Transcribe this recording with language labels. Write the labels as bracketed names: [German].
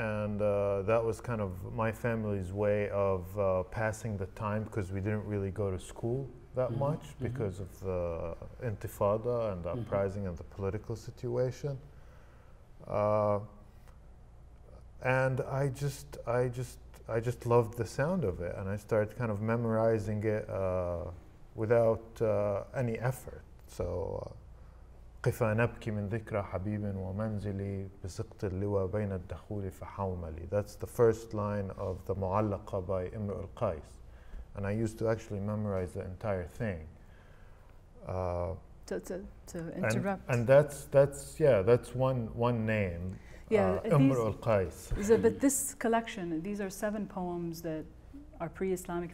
[English] And that was kind of my family's way of passing the time, because we didn't really go to school that much because of the Intifada and the uprising and the political situation. And I just loved the sound of it, and I started kind of memorizing it without any effort. So [Arabic] قفا نبكي من ذكرى حبيب ومنزلي بسقط اللوى بين الدخول فحوملي. [English] That's the first line of the معلقة by Imr al-Qais. And I used to actually memorize the entire thing. To interrupt. And that's one name. Yeah, Imr al-Qais. But this collection, these are seven poems that are pre-Islamic.